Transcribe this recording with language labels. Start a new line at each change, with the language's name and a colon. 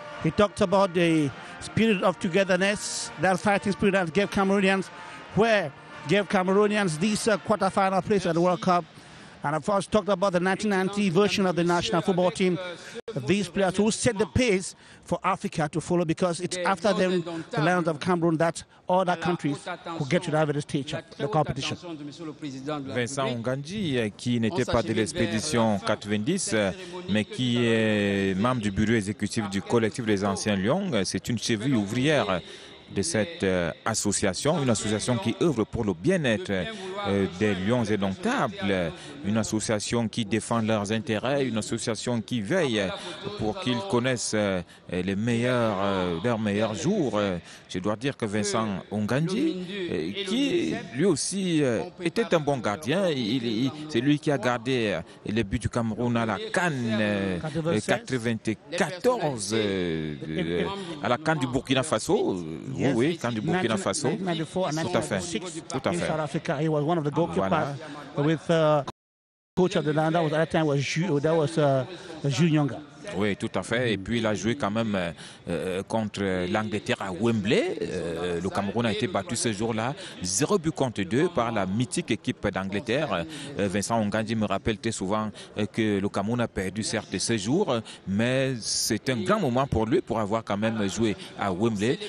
English: He talked about the spirit of togetherness, that fighting spirit that gave Cameroonians this quarterfinal place at the World Cup. And of course, talked about the 1990 version of the national football team. These players who set the pace for Africa to follow, because it's after them, the Lions of Cameroon, that all other countries could get to the average stage of the competition.
French: Vincent Onganzi, qui n'était pas de l'expédition 90, mais qui est membre du bureau exécutif du collectif des anciens Lions, c'est une cheville ouvrière de cette association, une association qui œuvre pour le bien-être des lions indomptables, une association qui défend leurs intérêts, une association qui veille pour qu'ils connaissent leurs meilleurs jours. Je dois dire que Vincent Onganzi, qui lui aussi était un bon gardien, c'est lui qui a gardé les buts du Cameroun à la CAN 94, à la CAN du Burkina Faso. Oui, quand du Burkina Faso. Tout à fait.
English: He was one of the goalkeepers with coach of the land. That was at that time was Jules Nyonga.
French: Oui, tout à fait. Et puis, il a joué quand même contre l'Angleterre à Wembley. Le Cameroun a été battu ce jour-là, 0 but contre 2 par la mythique équipe d'Angleterre. Vincent Ongandi me rappelle très souvent que le Cameroun a perdu, certes, ce jour, mais c'est un grand moment pour lui pour avoir quand même joué à Wembley.